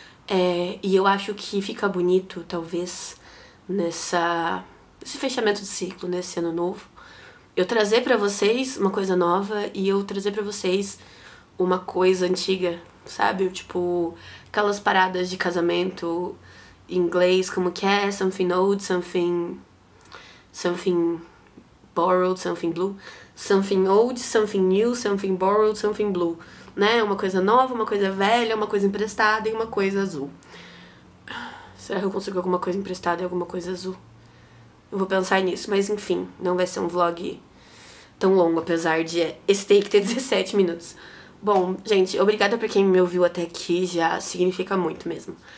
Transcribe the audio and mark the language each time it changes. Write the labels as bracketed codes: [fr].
[pt] E eu acho que fica bonito, talvez, nesse fechamento de ciclo, nesse ano novo, eu trazer pra vocês uma coisa nova e eu trazer pra vocês uma coisa antiga, sabe? Tipo, aquelas paradas de casamento em inglês, como que é? [en] Something old, something borrowed, something blue. Something old, something new, something borrowed, something blue. [pt] Né? Uma coisa nova, uma coisa velha, uma coisa emprestada e uma coisa azul. Será que eu consigo alguma coisa emprestada e alguma coisa azul? Eu vou pensar nisso, mas enfim, não vai ser um vlog tão longo, apesar de esse take ter 17 minutos. Bom, gente, obrigada pra quem me ouviu até aqui, já significa muito mesmo.